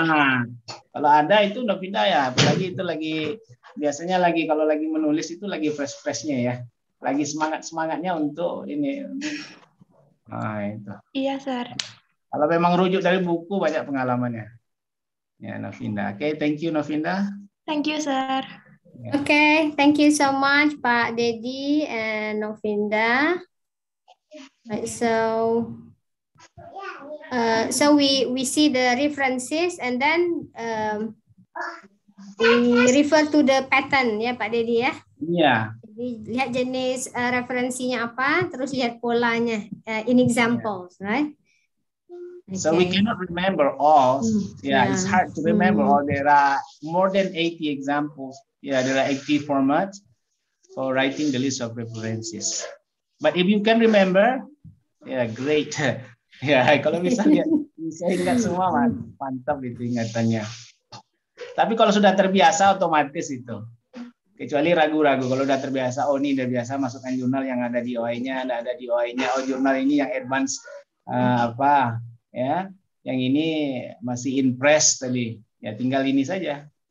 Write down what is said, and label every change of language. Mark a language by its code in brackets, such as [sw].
[id] Nah, kalau ada itu Novinda ya, apalagi itu lagi biasanya lagi kalau lagi menulis itu lagi fresh-freshnya ya, lagi semangat-semangatnya untuk ini. Nah, itu. Iya, Sir. Kalau memang rujuk dari buku banyak pengalamannya, ya Novinda. [en] Oke, okay, thank you Novinda. Thank you, Sir. Yeah. Oke, okay, thank you so much Pak Dedi and Novinda. So. So we see the references and then we refer to the pattern ya Pak Dedi ya. [id] Iya. Jadi lihat jenis referensinya apa, terus lihat polanya [en] in examples, yeah. Right? So okay. We cannot remember all. Yeah, yeah. It's hard to remember all. There are more than 80 examples. Yeah, there are 80 formats for writing the list of references. But if you can remember, yeah, great. [id] Ya, kalau misalnya bisa ingat semua, mantap itu ingatannya. Tapi kalau sudah terbiasa, otomatis itu. Kecuali ragu-ragu, kalau sudah terbiasa, oh ini sudah biasa, masukkan jurnal yang ada di OI-nya, tidak ada di OI-nya, oh jurnal ini yang advance, apa, ya, yang ini masih in press tadi, ya tinggal ini saja.